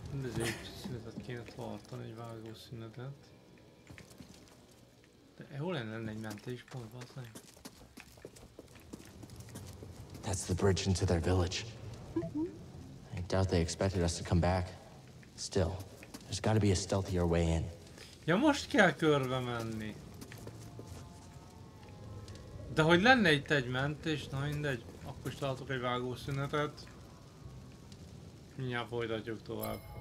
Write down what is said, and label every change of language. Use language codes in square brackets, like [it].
[hu] Mindezért szünetet kéne tartani, egy vágó szünetet. De hol lenne egy mentéspont, bazdmeg? [en] That's the bridge into their village. I doubt they expected us to come back. Still, there's gotta be a stealthier way in. [hu] Ja, most kell körbe menni. De hogy lenne itt egy mentés, na mindegy, akkor is tartok egy vágó szünetet. Mindjárt folytatjuk tovább.